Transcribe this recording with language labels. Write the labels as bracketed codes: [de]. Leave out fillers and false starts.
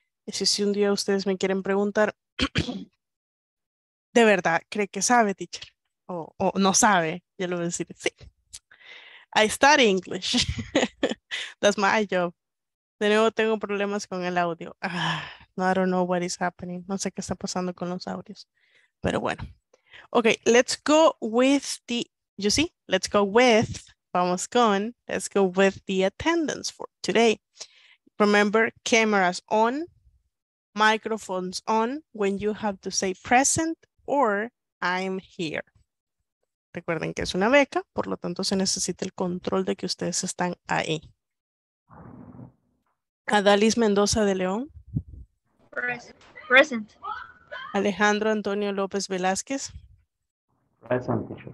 [es] Y si un día ustedes me quieren preguntar, ¿de verdad cree que sabe, teacher? O no sabe, ya lo voy a decir. [en] Sí. I study English. That's my job. [es] De nuevo tengo problemas con el audio. No, [en] I don't know what is happening. [es] No sé qué está pasando con los audios. Pero bueno. [en] Ok, let's go with the, you see, let's go with, [es] vamos con, [en] let's go with the attendance for today. Remember, cameras on, microphones on when you have to say present or I'm here. [es] Recuerden que es una beca, por lo tanto se necesita el control de que ustedes están ahí. Adalys Mendoza de León. [en] Present. Alejandro Antonio López Velázquez. Present.